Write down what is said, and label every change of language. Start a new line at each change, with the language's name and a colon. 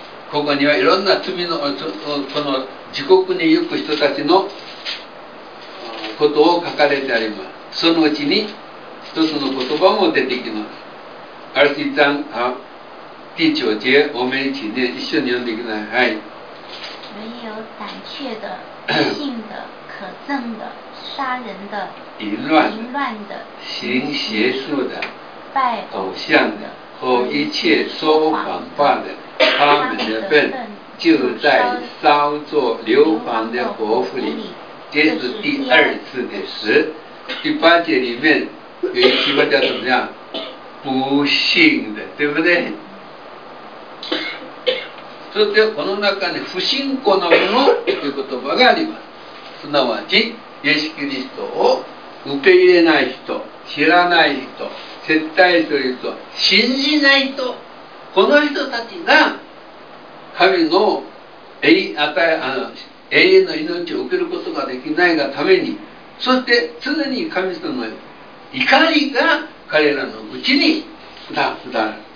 Japanese: ここにはいろんな罪の、この地獄に行く人たちのことを書かれてあります。そのうちに一つの言葉も出てきます。アルシさん、あ、第九節、おめいちね、一緒に読んでください。はい。
Chinese: 没有胆怯的、不信的、可憎的、杀人的、淫乱的、行邪术的、拜偶像的、和一切说谎话的，他们的份就在烧作硫磺的火壶里。这是第二次的死。第八节里面有一句话叫怎么样？不信的，对不对？所以
Japanese: この中に不信仰の者という言葉があります。すなわち、イエスキリストを受け入れない人、知らない人、接待する人、信じない人、この人たちが神の永遠の命を受けることができないがために、そして常に神様の怒りが彼らのうちにふだる。